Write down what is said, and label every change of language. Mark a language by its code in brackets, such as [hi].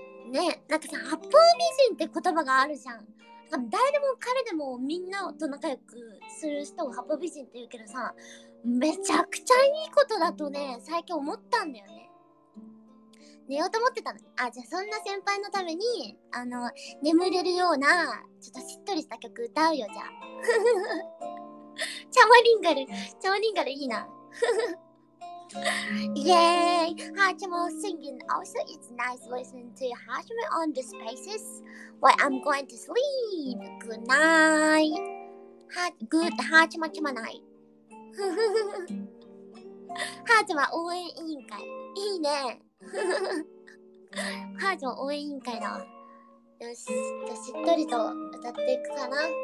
[ja] ね、なんかさ、八方美人って言葉があるじゃん。だから誰でも彼でもみんなと仲良くする人を八方美人って言うけどさ、めちゃくちゃいいことだとね、最近思ったんだよね。寝ようと思ってたの。あ、じゃあそんな先輩のために眠れるようなちょっとしっとりした曲歌うよ。じゃあチャマリンガル、チャマリンガルいいな。イエーイ。 [en] ハーチモー singing also it's nice listening to ハーチモー on the spaces while I'm going to sleep. Good night. ハー good ハーチモチマナイ。 [ja] ハーチモー応援委員会いいね。ハーチも応援委員会だわ。よし、じゃしっとりと歌っていくかな。